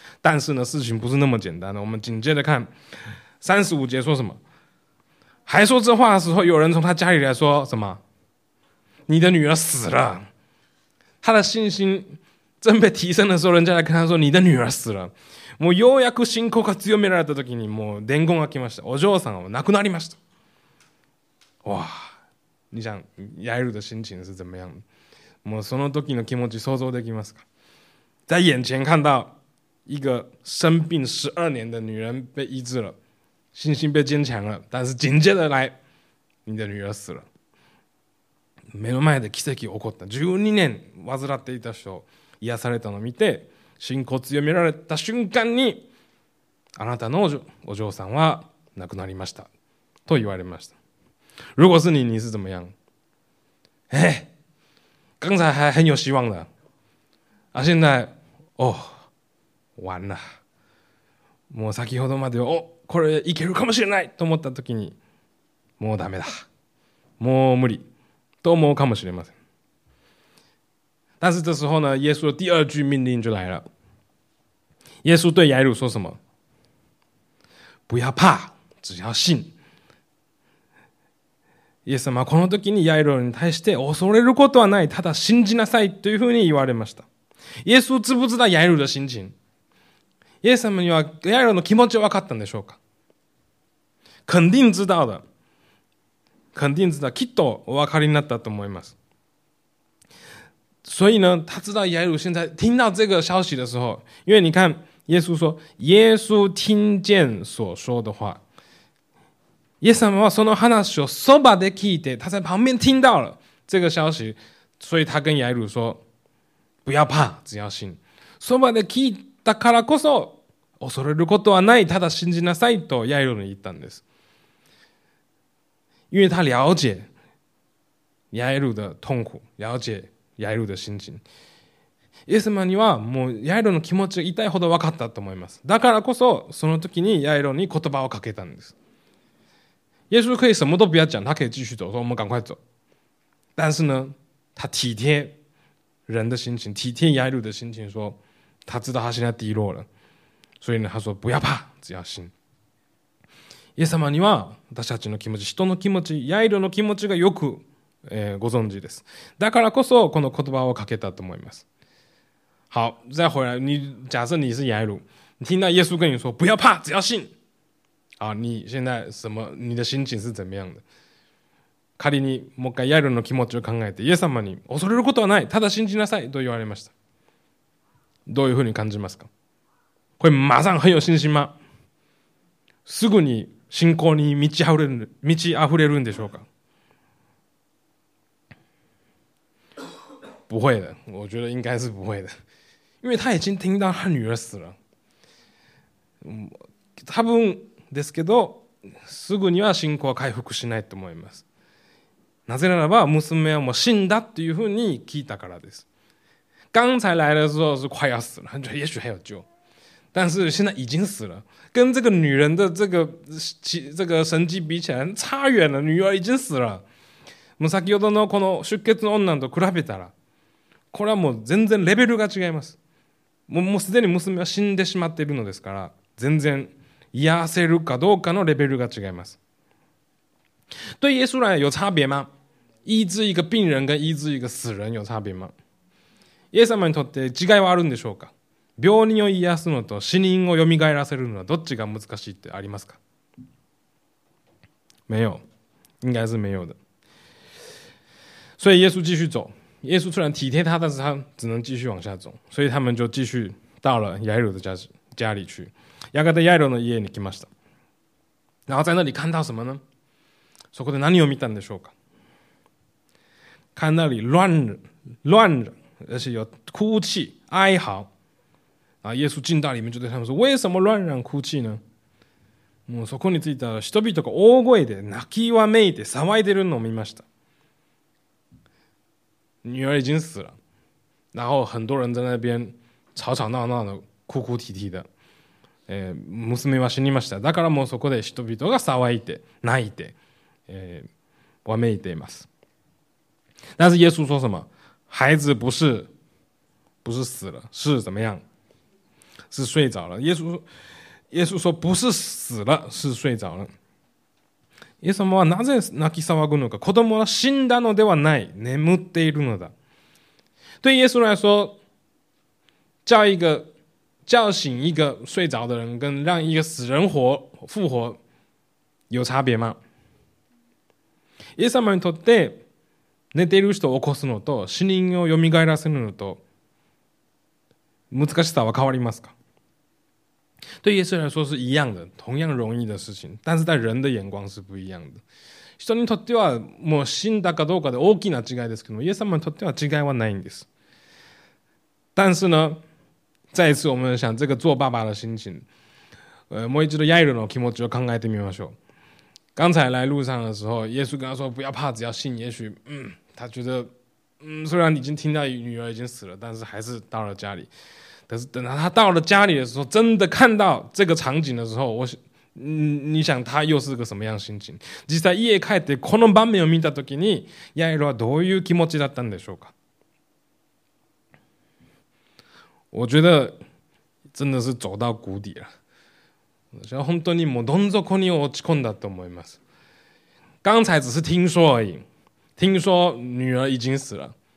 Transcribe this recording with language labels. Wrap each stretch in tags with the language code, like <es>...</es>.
<zh>但是呢、事情不是那么简单的。我们紧接着看35节说什么？还说这话的时候，有人从他家里来说什么？你的女儿死了。他的信心正被提升的时候，人家来跟他说你的女儿死了。</zh> <ja>もうようやく信仰が強められた時にもう伝言が来ました。お嬢さんは亡くなりました。</ja> <zh>哇，你想ヤエル的心情是怎么样的？</zh> <ja>もうその時の気持ち想像できますか？</ja> <zh>在眼前看到一个生病12年的女人被医治了，信心被坚强了，但是紧接着来，你的女儿死了。</zh> <ja>目の前で奇跡起こった。12年患っていた人を癒されたのを見て、信仰強められた瞬間に、あなたのお嬢さんは亡くなりました。と言われました。</ja> <zh>如果是你，你是怎么样？刚才还很有希望的，啊，现在，哦，完了，</zh> <ja>もう先ほどまで、お、これいけるかもしれないと思った時に、もうダメだ、もう無理、と思うかもしれません。</ja> <zh>但是这时候呢，耶稣的第二句命令就来了。耶稣对ヤイロ说什么？不要怕，只要信。</zh> <ja>イエス様はこの時にヤイロに対して恐れることはない、ただ信じなさいというふうに言われました。イエスをつぶつだヤイロの信心。イエス様にはヤイロの気持ちは分かったんでしょうか？</ja> <zh>肯定知道的。肯定知道。</zh> <ja>きっとお分かりになったと思います。</ja> <zh>所以呢、他知道ヤイロ现在听到这个消息的时候、因为你看、耶稣说、耶稣听见所说的话。</zh> <ja>イエス様はその話をそばで聞いて、</ja> <zh>他在旁边听到了这个消息、所以他跟ヤイロ说、不要怕、只要信。</zh> <ja>そばで聞いたからこそ、恐れることはない、ただ信じなさいとヤイロに言ったんです。</ja> <zh>因为他了解ヤイロ的痛苦、了解ヤイロ的心情。</zh> <ja>イエス様にはもうヤイロの気持ちが痛いほど分かったと思います。だからこそ、その時にヤイロに言葉をかけたんです。</ja> <zh>耶稣可以什么都不要讲，他可以继续走，说我们赶快走。但是呢，他体贴人的心情，体贴ヤイロ的心情，说他知道他现在低落了，所以呢，他说不要怕，只要信。</zh> <ja>イエス様には私たちの気持ち、人の気持ち、ヤイロの気持ちがよく、ご存知です。だからこそこの言葉をかけたと思います。</ja> <zh>好，再回来，你假设你是雅鲁，你听到耶稣跟你说不要怕，只要信。啊，你现在什么？你的心情是怎么样的？</zh> <ja>仮にもう一回ヤイロの気持ちを考えて、イエス様に恐れることはない、ただ信じなさいと言われました。どういうふうに感じますか？これ</ja> <zh>马上很有信心吗？</zh> <ja>すぐに信仰に満ち溢れるんでしょうか？</ja> <zh>不会的，我觉得应该是不会的，因为他已经听到他女儿死了。</zh> <ja>多分ですけど、すぐには信仰は回復しないと思います。なぜならば娘はもう死んだっていうふうに聞いたからです。</ja> <zh>刚才来的时候是快要死了，就也许还有救，但是现在已经死了，跟这个女人的这个神迹比起来差远了。女儿已经死了。</zh> <ja>先ほどのこの出血の女と比べたら、これはもう全然レベルが違います。もうすでに娘は死んでしまっているのですから、全然癒せるかどうかのレベルが違います。</ja> <zh>对耶稣来有差别吗？医治一个病人跟医治一个死人有差别吗？</zh> <ja>イエス様にとって違いはあるんでしょうか？病人を癒すのと死人を蘇らせるのはどっちが難しいってありますか？</ja> <zh>没有，应该是没有的。所以耶稣继续走，耶稣虽然体贴他，但是他只能继续往下走，所以他们就继续到了雅鲁的家里去。</zh> <ja>やがてヤイロの家に来ました。</ja> <zh>然后在那里看到什么呢？</zh> <ja>そこで何を見たんでしょうか？</ja> <zh>看那里乱着，而且有哭泣哀嚎。然后耶稣进到里面就对他们说：“为什么乱嚷哭泣呢？”</zh> <ja>もうそこについた人々が大声で泣きわめいて騒いでるのを見ました。</ja> <zh>女儿已经死了，然后很多人在那边吵吵闹闹的哭哭啼啼的。</zh> <ja>娘は死にました。だからもうそこで人々が騒いて泣いて、わめいています。</ja> <zh>但是耶稣说什么？孩子不是死了，是怎么样？是睡着了。耶稣说不是死了，是睡着了。</zh> <ja>イエス様はなぜ泣き騒ぐのか？子供は死んだのではない、眠っているのだ。</ja> <zh>对耶稣来说，叫醒一个睡着的人，跟让一个死人复活有差别吗？</zh> <ja>イエス様にとって寝ている人を起こすのと死人を蘇らせるのと難しさは変わりますか？</ja> <zh>对耶稣来说是一样的，同样容易的事情，但是在人的眼光是不一样的。</zh> <ja>人にとってはもう死んだかどうかで大きな違いですけども、イエス様にとっては違いはないんです。</ja> <zh>但是呢，再一次我们想这个做爸爸的心情，</zh> <ja>もう一度ヤイロの気持ちを考えてみましょう。</ja> <zh>刚才来路上的时候，耶稣跟他说不要怕，只要信。也许，他觉得，虽然已经听到女儿已经死了，但是还是到了家里。但是等到他到了家里的时候，真的看到这个场景的时候，你想他又是个什么样心情？</zh> <ja>実際家帰ってこの場面を見た時に、ヤイロはどういう気持ちだったんでしょうか？</ja> <zh>我觉得真的是走到谷底了，就</zh> <ja>本当にもうどん底に落ち込んだと思います。</ja> <zh>刚才只是听说而已，听说女儿已经死了。</zh>